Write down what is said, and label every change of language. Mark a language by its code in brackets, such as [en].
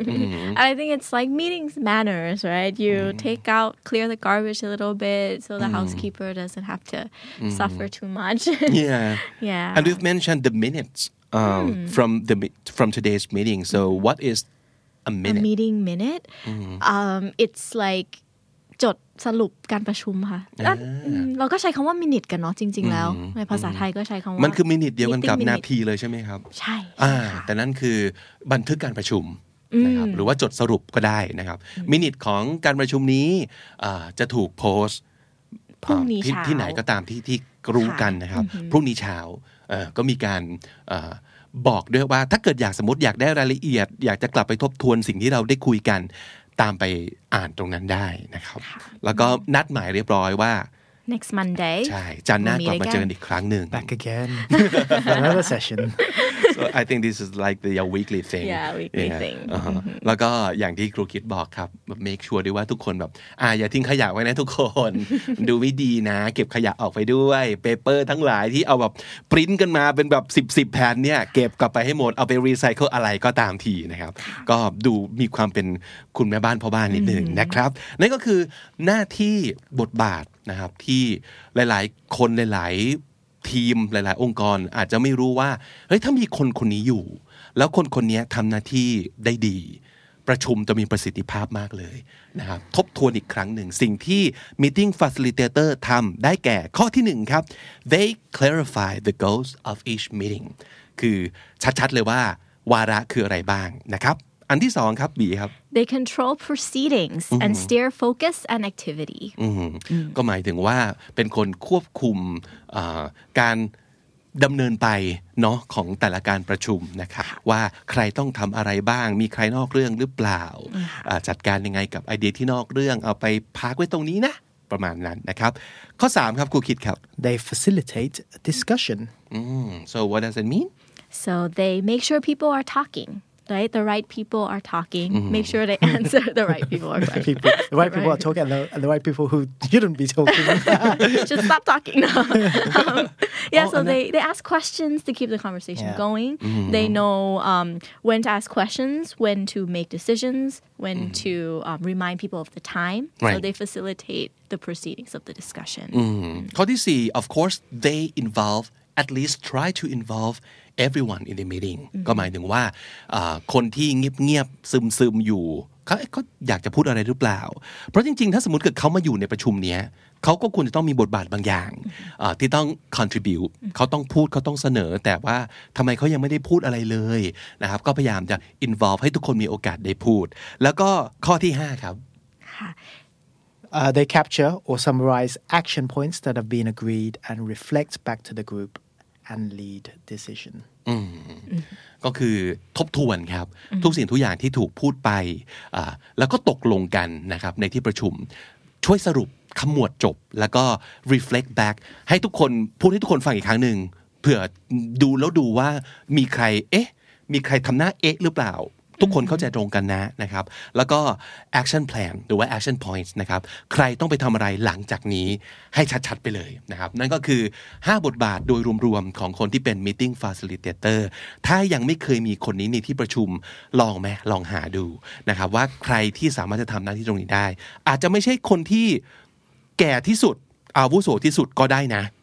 [en] And I think it's like meetings manners, right? You take out, clear the garbage a little bit so the housekeeper doesn't have to suffer too much. Yeah. Yeah. And we've mentioned the minutes from today's meeting. So what is a minute? A meeting minute? It's like [th] จดสรุปการประชุมค่ะเราก็ใช้คำว่ามินิทกันเนาะจริงๆแล้วในภาษาไทยก็ใช้คำว่ามันคือมินิทเดียวกันกับนาทีเลยใช่ไหมครับ ใช่แต่นั่นคือบันทึกการประชุมนะครับหรือว่าจดสรุปก็ได้นะครับมินิทของการประชุมนี้จะถูกโพสต์พรุ่งนี้เช้า ที่ไหนก็ตามที่รู้กันนะครับพรุ่งนี้เช้าก็มีการบอกด้วยว่าถ้าเกิดอยากสมมติอยากได้รายละเอียดอยากจะกลับไปทบทวนสิ่งที่เราได้คุยกันตามไปอ่านตรงนั้นได้นะครับแล้วก็นัดหมายเรียบร้อยว่า [en] next Monday [th] ใช่จันทร์หน้ากลับมาเจอกันอีกครั้งหนึ่ง [en] back again another session so I think this is like the your weekly thing yeah weekly thing [th] แล้วก็อย่างที่ครูคิดบอกครับ [en] make sure [th] ด้วยว่าทุกคนแบบอย่าทิ้งขยะไว้นะทุกคนดูไม่ดีนะเก็บขยะออกไปด้วย paper ทั้งหลายที่เอาแบบปริ้นกันมาเป็นแบบ10แผ่นเนี่ยเก็บกลับไปให้หมดเอาไป recycle อะไรก็ตามทีนะครับก็ดูมีความเป็น คุณแม่บ้านพ่อบ้านนิดนึงนะครับนั่นก็คือหน้าที่บทบาทนะครับที่หลายๆคนหลายๆทีมหลายๆองค์กรอาจจะไม่รู้ว่าเฮ้ยถ้ามีคนคนนี้อยู่แล้วคนคนนี้ทำหน้าที่ได้ดี ประชุมจะมีประสิทธิภาพมากเลยนะครับทบทวนอีกครั้งหนึ่งสิ่งที่ Meeting Facilitator ทำได้แก่ข้อที่หนึ่งครับ [en] They clarify the goals of each meeting [th] คือชัดๆเลยว่าวาระคืออะไรบ้างนะครับอันที่สองครับบีครับ [en] They control proceedings and steer focus and activity [th] ก็หมายถึงว่าเป็นคนควบคุมการดำเนินไปเนาะของแต่ละการประชุมนะครับว่าใครต้องทำอะไรบ้างมีใครนอกเรื่องหรือเปล่าจัดการยังไงกับไอเดียที่นอกเรื่องเอาไปพักไว้ตรงนี้นะประมาณนั้นนะครับข้อสามครับครูคิดครับ [en] They facilitate discussion So what does it mean? So they make sure people are talkingRight, the right people are talking. Make sure they answer the right people. Are right. People, the right, right people are talking, and the right people who shouldn't be talking. Just stop talking now. So they ask questions to keep the conversation going. They know when to ask questions, when to make decisions, when to remind people of the time. Right. So they facilitate the proceedings of the discussion. Kodisi, of course, they involve, at least try to involve,Everyone in the meeting [th] ก็หมายถึงว่าคนที่เงียบๆซึมๆอยู่เขาอยากจะพูดอะไรหรือเปล่าเพราะจริงๆถ้าสมมติเกิดเขามาอยู่ในประชุมนี้เขาก็ควรจะต้องมีบทบาทบางอย่างที่ต้อง contribute เขาต้องพูดเขาต้องเสนอแต่ว่าทำไมเขายังไม่ได้พูดอะไรเลยนะครับก็พยายามจะ involve ให้ทุกคนมีโอกาสได้พูดแล้วก็ข้อที่ห้าครับ [en] They capture or summarize action points that have been agreed and reflect back to the groupand lead decision [th] ก็คือทบทวนครับทุกสิ่งทุกอย่างที่ถูกพูดไปแล้วก็ตกลงกันนะครับในที่ประชุมช่วยสรุปขมวดจบแล้วก็ [en] reflect back [th] ให้ทุกคนพูดให้ทุกคนฟังอีกครั้งหนึ่งเผื่อ ดูแล้วดูว่ามีใครเอ๊ะมีใครทำหน้าเอ๊ะหรือเปล่าทุกคนเข้าใจตรงกันนะนะครับแล้วก็ action plan หรือว่า action points นะครับใครต้องไปทำอะไรหลังจากนี้ให้ชัดๆไปเลยนะครับนั่นก็คือ5บทบาทโดยรวมๆของคนที่เป็น meeting facilitator ถ้ายังไม่เคยมีคนนี้ในที่ประชุมลองไหมลองหาดูนะครับว่าใครที่สามารถจะทำหน้าที่ตรงนี้ได้อาจจะไม่ใช่คนที่แก่ที่สุดอาวุโสที่สุดก็ได้นะ